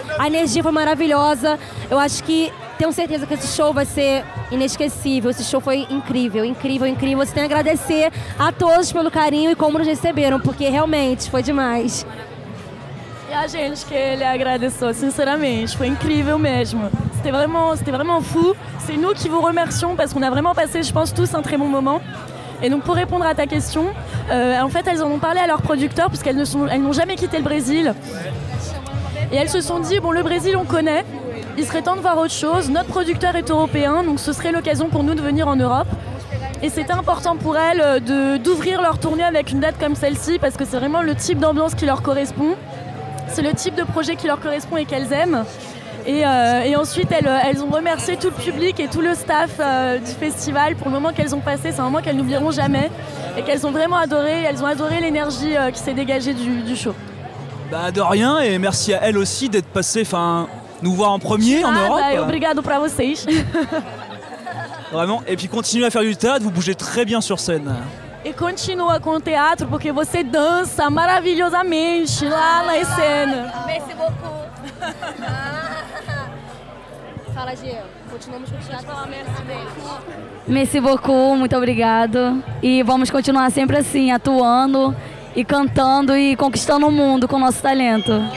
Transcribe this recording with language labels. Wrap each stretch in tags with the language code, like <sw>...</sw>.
<pt>A energia foi maravilhosa. Eu acho que, tenho certeza que esse show vai ser inesquecível. Esse show foi incrível, incrível, incrível. Você tem que agradecer a todos pelo carinho e como nos receberam, porque realmente foi demais. E a gente que ele agradeceu, sinceramente. Foi incrível mesmo.</pt> <fr>C'était vraiment fou. C'est nous qui vous remercions parce qu'on a vraiment passé, je pense, tous un très bon moment. Et donc, pour répondre à ta question, en fait, elles en ont parlé à leur producteur parce qu'elles n'ont jamais quitté le Brésil. Et elles se sont dit, bon, le Brésil, on connaît. Il serait temps de voir autre chose. Notre producteur est européen, donc ce serait l'occasion pour nous de venir en Europe. Et c'était important pour elles d'ouvrir leur tournée avec une date comme celle-ci parce que c'est vraiment le type d'ambiance qui leur correspond. C'est le type de projet qui leur correspond et qu'elles aiment. Et ensuite, elles ont remercié tout le public et tout le staff du festival pour le moment qu'elles ont passé. C'est un moment qu'elles n'oublieront jamais et qu'elles ont vraiment adoré. Elles ont adoré l'énergie qui s'est dégagée du show. Bah, de rien, et merci à elles aussi d'être passées, enfin, nous voir en premier en Europe.</fr> <pt>Bah, obrigado pra vocês.</pt> <fr>Vraiment, et puis continuez à faire du théâtre, vous bougez très bien sur scène.</fr> <pt>E continua com o teatro porque você dança maravilhosamente lá na cena.</pt> <fr>Merci beaucoup.</fr> <pt>Fala, Gio. Continuamos com o teatro.</pt> <fr>Merci beaucoup,</fr> <pt>muito obrigado. E vamos continuar sempre assim, atuando e cantando e conquistando o mundo com o nosso talento.</pt>